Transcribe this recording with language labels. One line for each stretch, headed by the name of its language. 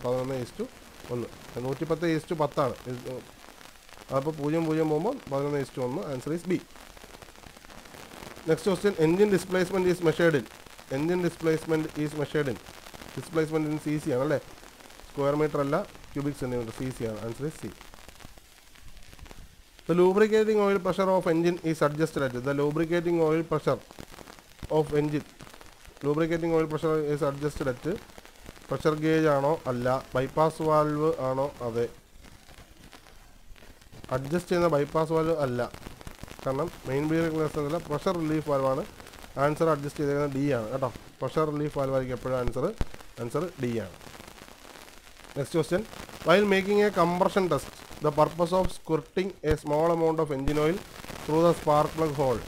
Malayalam: 11:1. 110:10 ഇത്. അപ്പോൾ 0:0 പോകുമ്പോൾ 11:1.
English: Answer is B. Next question. Engine displacement is measured in. Engine displacement is measured in.
Malayalam: Displacement in C C ആണ് അല്ലേ? Square metre അല്ല, cubic centimetre. C C ആണ്.
English: Answer is C. The lubricating oil pressure of engine is adjusted at. The lubricating oil pressure of engine. Lubricating oil pressure is adjusted at. Pressure gauge ആണോ?
Malayalam: അല്ല. Bypass valve ആണോ? അതെ. Adjust ചെയ്യുന്ന bypass valve അല്ല, കാരണം main bearing class അല്ല, pressure relief വാൽവാണ്. Answer adjust ചെയ്തേക്കുന്നത് D ആണ് കേട്ടോ. പ്രഷർ റിലീഫ് വാൽവ് ആയിരിക്കും എപ്പോഴും ആൻസർ ഡി ആണ്.
English: Next question, while making a compression test the purpose of squirting a small amount of engine oil through the spark plug hole.